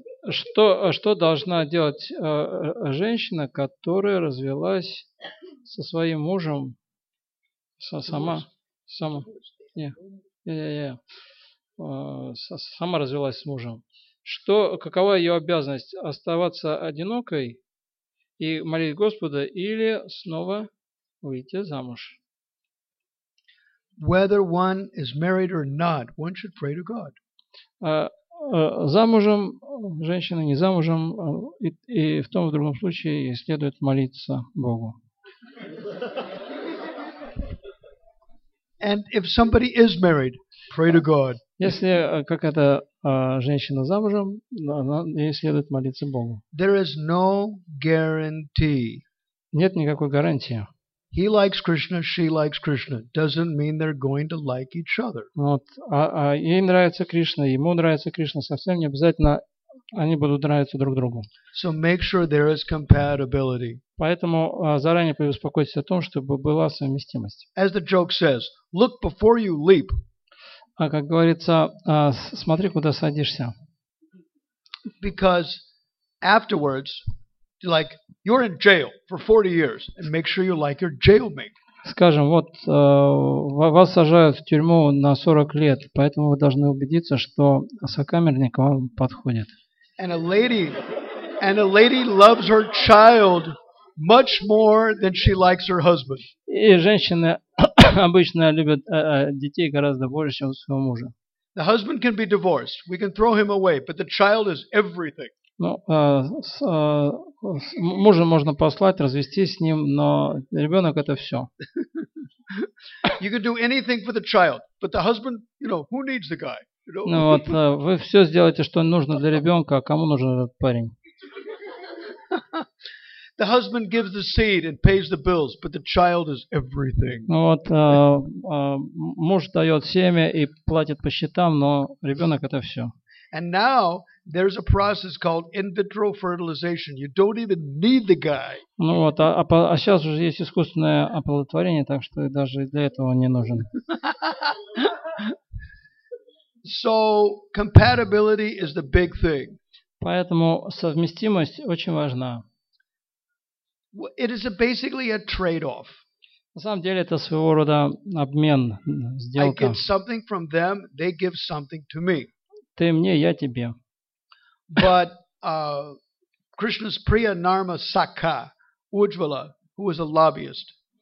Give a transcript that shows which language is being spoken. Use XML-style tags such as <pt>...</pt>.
<ru>Что должна делать женщина, которая развелась со своим мужем? Сама. Сама развелась с мужем. Какова ее обязанность? Оставаться одинокой и молить Господа или снова выйти замуж?</ru> <en>Whether one is married or not, one should pray to God.</en> <ru>Замужем женщина, не замужем, и в том и в другом случае следует молиться Богу.</ru> <en>And if somebody is married, pray to God.</en> <ru>Если какая-то женщина замужем, ей следует молиться Богу.</ru> <en>There is no guarantee.</en> <ru>Нет никакой гарантии.</ru> <en>He likes Krishna, she likes Krishna. Doesn't mean they're going to like each other.</en> <ru>Вот, ей нравится Кришна, ему нравится Кришна, совсем не обязательно они будут нравиться друг другу.</ru> <en>So make sure there is compatibility.</en> <ru>Поэтому заранее побеспокойтесь о том, чтобы была совместимость.</ru> <en>As the joke says, look before you leap.</en> <ru>А как говорится, смотри, куда садишься.</ru> <en>Because afterwards, like you're in jail for 40 years, and make sure you like your jailmate.</en> <ru>Скажем, вот вас сажают в тюрьму на 40 лет, поэтому вы должны убедиться, что сокамерник вам подходит.</ru> <en>And a lady loves her child much more than she likes her husband.</en> <ru>И женщины обычно любят детей гораздо больше, чем своего мужа.</ru> <en>The husband can be divorced. We can throw him away, but the child is everything.</en> <ru>Ну, мужа можно послать, развестись с ним, но ребенок это все.</ru> <en>You can do anything for the child, but the husband, you know, who needs the guy?</en> <ru>Ну вот, вы все сделаете, что нужно для ребенка, а кому нужен этот парень?</ru> <en>The husband gives the seed and pays the bills, but the child is everything.</en> <ru>Ну вот, муж дает семя и платит по счетам, но ребенок это все.</ru> <en>And now there's a process called in vitro fertilization. You don't even need the guy.</en> <ru>Ну вот, а сейчас уже есть искусственное оплодотворение, так что даже для этого он не нужен.</ru> <en>So compatibility is the big thing.</en> <ru>Поэтому совместимость очень важна.</ru> <en>It is basically a trade-off.</en> <ru>На самом деле это своего рода обмен, сделка.</ru> <en>I get something from them, they give something to me.</en> <ru>Ты мне, я тебе.</ru> <en>But Krishna's Priya Narma Sakha Ujjvala, who was a lobbyist.</en>